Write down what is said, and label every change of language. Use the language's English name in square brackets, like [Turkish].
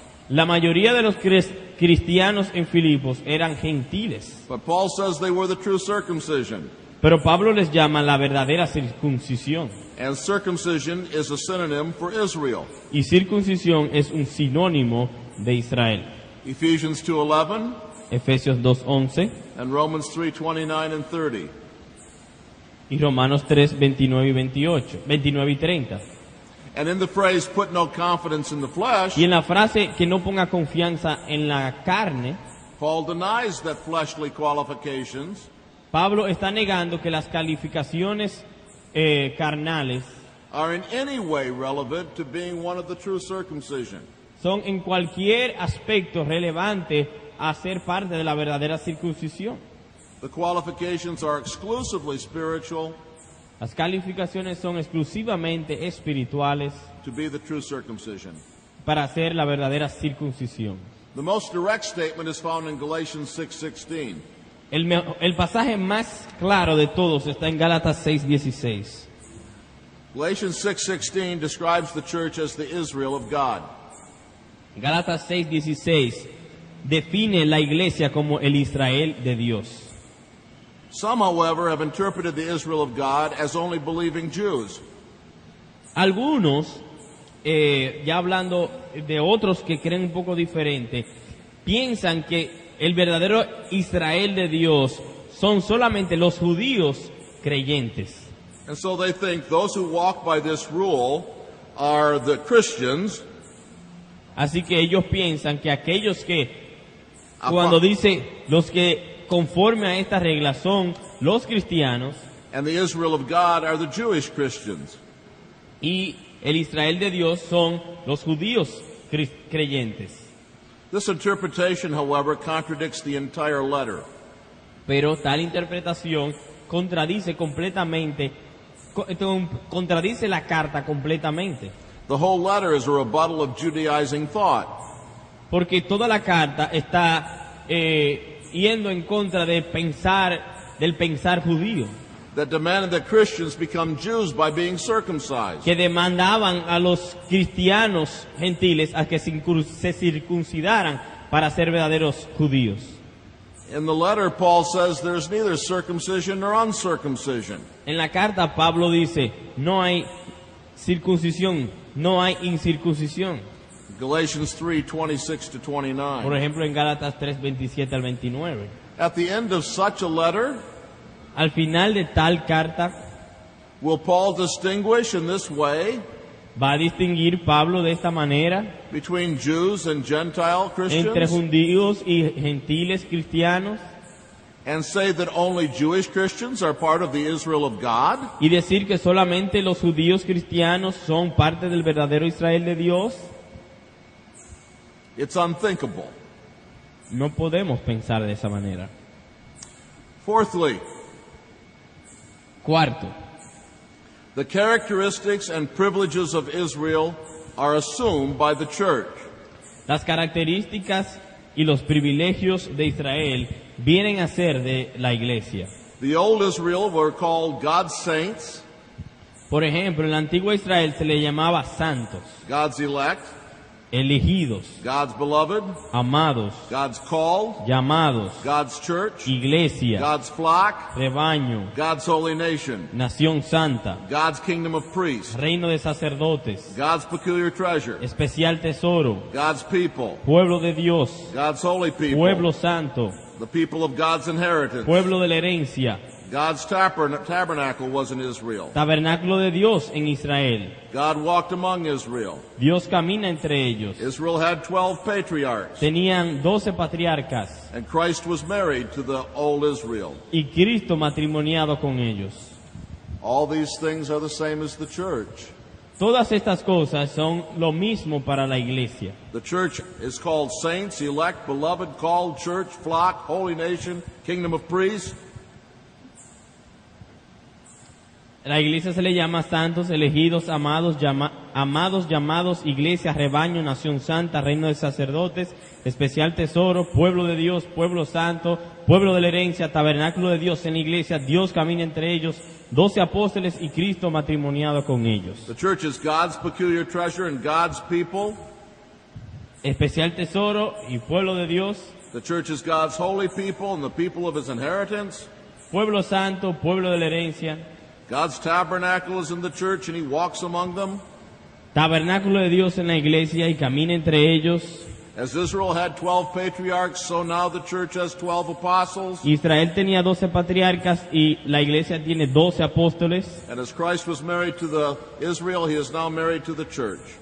[Spanish] La mayoría de los cristianos en Filipos eran gentiles. [English] But Paul says they were the true circumcision. [Spanish] Pero Pablo les llama la verdadera circuncisión. [English] And circumcision is a synonym for Israel. [Spanish] Y circuncisión es un sinónimo de Israel. [English] Ephesians 2:11. [Spanish] Efesios 2:11. [English] And Romans 3:29 and 30. [Spanish] Y Romanos 3:29 y 30. [English] And in the phrase put no confidence in the flesh. [Spanish] Y en la frase que no ponga confianza en la carne. [English] Paul denies that fleshly qualifications. [Spanish] Pablo está negando que las calificaciones carnales [English] are in any way relevant to being one of the true circumcision. [Spanish] Son en cualquier aspecto relevante a ser parte de la verdadera circuncisión. [English] The qualifications are exclusively spiritual. [Spanish] Las calificaciones son exclusivamente espirituales. [English] To be the true circumcision. [Spanish] Para ser la verdadera circuncisión. [English] The most direct statement is found in Galatians 6:16. [Spanish] El pasaje más claro de todos está en Gálatas 6:16. [English] Galatians 6:16 describes the church as the Israel of God. [Spanish] Gálatas 6:16 define la iglesia como el Israel de Dios. [English] Some, however, have interpreted the Israel of God as only believing Jews. [Spanish] Algunos, ya hablando de otros que creen un poco diferente, piensan que el verdadero Israel de Dios son solamente los judíos creyentes. [English] And so they think those who walk by this rule are the Christians. [Spanish] Así que ellos piensan que aquellos que, cuando dice los que conforme a esta regla son los cristianos. [English] And the Israel of God are the Jewish Christians. [Spanish] Y el Israel de Dios son los judíos creyentes. [English] This interpretation, however, contradicts the entire letter. [Spanish] Pero tal interpretación contradice la carta completamente. [English] The whole letter is a rebuttal of Judaizing thought. [Spanish] Porque toda la carta está yendo en contra de pensar del pensar judío. [English] That demanded that Christians become Jews by being circumcised. [Spanish] Que demandaban a los cristianos gentiles a que se circuncidaran para ser verdaderos judíos. [English] In the letter, Paul says there's neither circumcision nor uncircumcision. [Spanish] En la carta, Pablo dice, no hay circuncisión, no hay incircuncisión. [English] Galatians 3:26-29. [Spanish] Por ejemplo, en Gálatas 3:27-29. [English] At the end of such a letter, [Spanish] al final de tal carta, [English] will Paul distinguish in this way, [Spanish] va a distinguir Pablo de esta manera, [English] between Jews and Gentile Christians, [Spanish] entre judíos y gentiles cristianos, [English] and say that only Jewish Christians are part of the Israel of God, [Spanish] y decir que solamente los judíos cristianos son parte del verdadero Israel de Dios? [English] It's unthinkable. [Spanish] No podemos pensar de esa manera. [English] Fourthly, [Spanish] cuarto, [English] the characteristics and privileges of Israel are assumed by the church. [Spanish] Las características y los privilegios de Israel vienen a ser de la iglesia. [English] The old Israel were called God's saints. [Spanish] Por ejemplo, en la antigua Israel se le llamaba santos. [English] God's elect. [Spanish] Elegidos. [English] God's beloved. [Spanish] Amados. [English] God's called. [Spanish] Llamados. [English] God's church. [Spanish] Iglesia. [English] God's flock. [Spanish] Rebaño. [English] God's holy nation. [Spanish] Nación santa. [English] God's kingdom of priests. [Spanish] Reino de sacerdotes. [English] God's peculiar treasure. [Spanish] Especial tesoro. [English] God's people. [Spanish] Pueblo de Dios. [English] God's holy people. [Spanish] Pueblo santo. [English] The people of God's inheritance. [Spanish] Pueblo de la herencia. [English] God's tabernacle was in Israel. [Spanish] Tabernáculo de Dios en Israel. [English] God walked among Israel. [Spanish] Dios camina entre ellos. [English] Israel had 12 patriarchs. [Spanish] Tenían 12 patriarcas. [English] And Christ was married to the old Israel. [Spanish] Y Cristo matrimoniado con ellos. [English] All these things are the same as the church. [Spanish] Todas estas cosas son lo mismo para la iglesia. [English] The church is called saints, elect, beloved, called, church, flock, holy nation, kingdom of priests. [Spanish] La iglesia se le llama santos, elegidos, amados, llamados, iglesia, rebaño, nación santa, reino de sacerdotes, especial tesoro, pueblo de Dios, pueblo santo, pueblo de la herencia, tabernáculo de Dios en la iglesia, Dios camina entre ellos, 12 apóstoles y Cristo matrimoniado con ellos. [English] The church is God's peculiar treasure and God's people. [Spanish] Especial tesoro y pueblo de Dios. [English] The church is God's holy people and the people of his inheritance. [Spanish] Pueblo santo, pueblo de la herencia. [English] God's tabernacle is in the church and he walks among them. [Spanish] Tabernáculo de Dios en la iglesia y camina entre ellos. [English] As Israel had 12 patriarchs, so now the church has 12 apostles. [Spanish] Israel tenía 12 patriarcas y la iglesia tiene 12 apóstoles. [English] And as Christ was married to the Israel, he is now married to the church.